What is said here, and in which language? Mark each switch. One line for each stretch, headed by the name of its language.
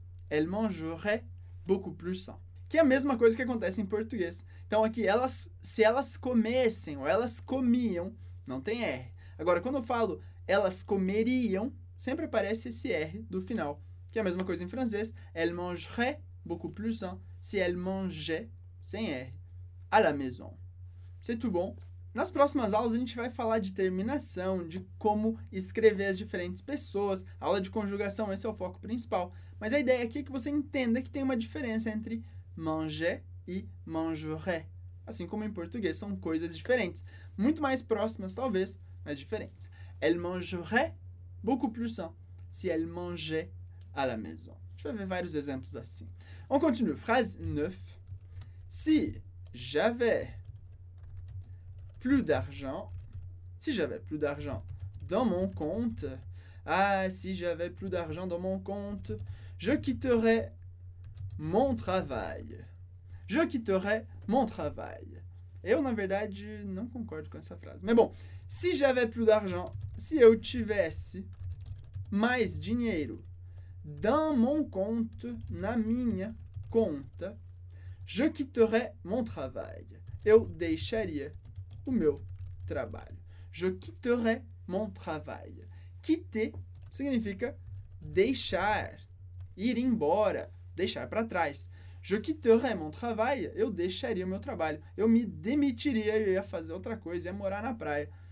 French: Elle mangerait beaucoup plus sain.
Portuguese: Que é a mesma coisa que acontece em português. Então aqui, elas, se elas comessem ou elas comiam, não tem R. Agora, quando eu falo elas comeriam, sempre aparece esse R do final. Que é a mesma coisa em francês.
French: Elle mangerait beaucoup plus sain si elle mangeait,
Portuguese: sem R,
French: à la maison. C'est tout bon.
Portuguese: Nas próximas aulas, a gente vai falar de terminação, de como escrever as diferentes pessoas. A aula de conjugação, esse é o foco principal. Mas a ideia aqui é que você entenda que tem uma diferença entre manger e mangerait. Assim como em português, são coisas diferentes. Muito mais próximas, talvez, mas diferentes.
French: Elle mangerait beaucoup plus sain si elle mangeait à la maison.
Portuguese: A gente vai ver vários exemplos assim.
French: On continue. Phrase 9. Si j'avais plus d'argent, si j'avais plus d'argent dans mon compte, ah, si j'avais plus d'argent dans mon compte, je quitterais mon travail. Je quitterais mon travail.
Portuguese: Eu, na verdade, não concordo com essa frase. Mas
French: bon, si j'avais plus d'argent, si
Portuguese: eu tivesse mais dinheiro
French: dans mon compte,
Portuguese: na minha conta,
French: je quitterais mon travail.
Portuguese: Eu deixaria o meu trabalho.
French: Je quitterai mon travail.
Portuguese: Quitter significa deixar, ir embora, deixar para trás.
French: Je quitterai mon travail.
Portuguese: Eu deixaria o meu trabalho. Eu me demitiria, eu ia fazer outra coisa, ia morar na praia.